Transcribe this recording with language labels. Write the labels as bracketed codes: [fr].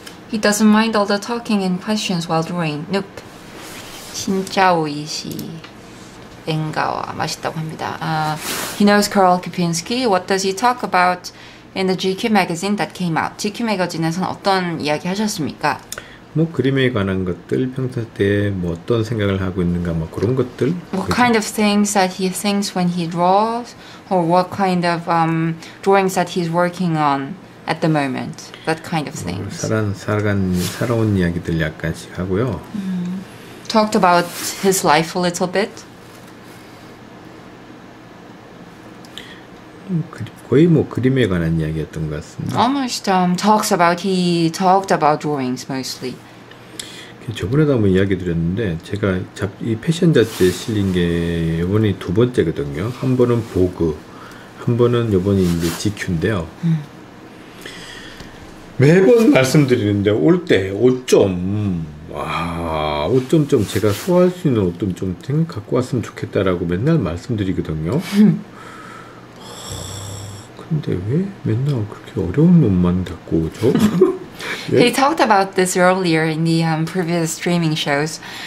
[en] He doesn't mind all the talking and questions while drawing. Nope. [ko] 진짜 오이시 엔가와 맛있다고 합니다. [en] He knows Karol Kapinski. What does he talk about in the GQ magazine that came out? [ko] GQ 매거진에서는 어떤 이야기 하셨습니까? 뭐 그림에 관한 것들, 평소 때 뭐 어떤 생각을 하고 있는가, 뭐 그런 것들. [en] What kind of things that he thinks when he draws, or what kind of drawings that he's working on? At the moment, that kind of things. [ko] 살아온 이야기들 약간씩 하고요. [en] Talked about his life a little bit. [ko] 거의 뭐 그림에 관한 이야기였던 것 같습니다. [en] Almost he talked about drawings mostly. [ko] 저번에도 한번 이야기 드렸는데 제가 이 패션 잡지에 실린 게 이번이 두 번째거든요. 한 번은 보그, 한 번은 이번이 이제 GQ인데요. 매번 말씀드리는데 올 때 5점 와 5점 좀 제가 소화할 수 있는 5점 좀 갖고 왔으면 좋겠다라고 맨날 말씀드리거든요. 근데 왜 맨날 그렇게 어려운 놈만 갖고 오죠? [en] He talked about this earlier in the previous streaming shows.